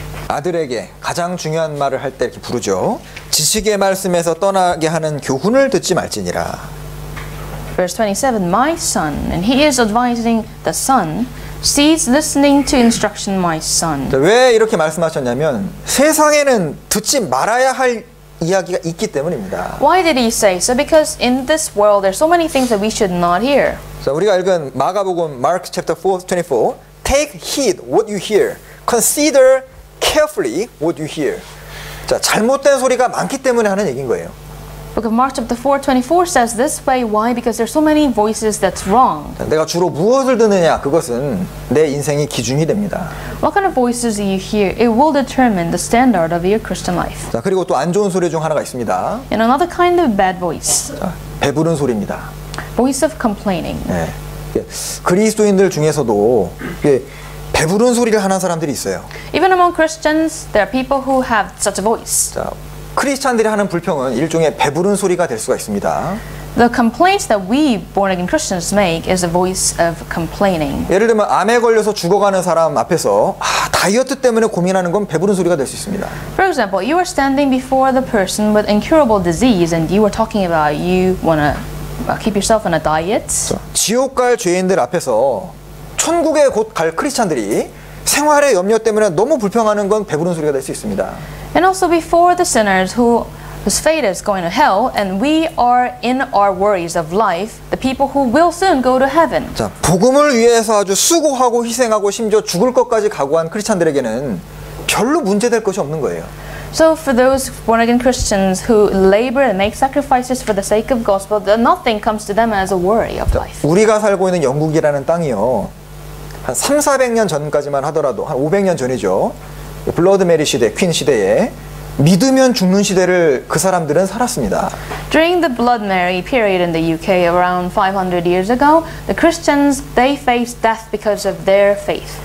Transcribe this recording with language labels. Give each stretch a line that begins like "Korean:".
Korean: 아들에게 가장 중요한 말을 할 때 이렇게 부르죠. 지식의 말씀에서 떠나게 하는 교훈을 듣지 말지니라.
English: Verse 27, my son, and he is advising the son, cease listening to instruction, my son.
Korean: 왜 이렇게 말씀하셨냐면 세상에는 듣지 말아야 할 이야기가 있기 때문입니다.
English: Why did he say so? Because in this world, there are so many things that we should not hear.
Korean: 자, 우리가 읽은 마가복음
English: Mark chapter 4:24, take heed what you hear, consider carefully what you hear.
Korean: 자, 잘못된 소리가 많기 때문에 하는 얘긴 거예요.
English: Book of Mark chapter 4:24 says this way. Why? Because there are so many voices that's wrong.
Korean: 내가 주로 무엇을 듣느냐? 그것은 내 인생의 기준이 됩니다.
English: What kind of voices do you hear? It will determine the standard of your Christian life.
Korean: 자, 그리고 또 안 좋은 소리 중 하나가 있습니다.
English: And another kind of bad voice.
Korean: 자, 배부른 소리입니다.
English: Voice of complaining.
Korean: 네. 예, 그리스도인들 중에서도 예, 배부른 소리를 하는 사람들이 있어요.
English: Even among Christians, there are people who have such a voice.
Korean: 자, 크리스찬들이 하는 불평은 일종의 배부른 소리가 될 수가 있습니다.
English: The complaints that we born again Christians make is a voice of complaining.
Korean: 예를 들면 암에 걸려서 죽어가는 사람 앞에서 아, 다이어트 때문에 고민하는 건 배부른 소리가 될 수 있습니다.
English: For example, you are standing before the person with incurable disease and you are talking about you want to keep yourself on a diet.
Korean: 지옥 갈 죄인들 앞에서 천국에 곧 갈 크리스찬들이 생활의 염려 때문에 너무 불평하는 건 배부른 소리가 될 수 있습니다.
English: And also before the sinners whose fate is going to hell and we are in our worries of life, the people who will soon go to heaven.
Korean: 자, 복음을 위해서 아주 수고하고 희생하고 심지어 죽을 것까지 각오한 크리스찬들에게는 별로 문제될 것이 없는 거예요.
English: So for those born again Christians who labor and make sacrifices for the sake of gospel, nothing comes to them as a worry of life.
Korean: 자, 우리가 살고 있는 영국이라는 땅이요. 한 3,400년 전까지만 하더라도 한 500년 전이죠. 블러드 메리 시대, 퀸 시대에 믿으면 죽는 시대를 그 사람들은 살았습니다.
English: During the Blood Mary period in the UK around 500 years ago, the Christians they faced death because of their faith.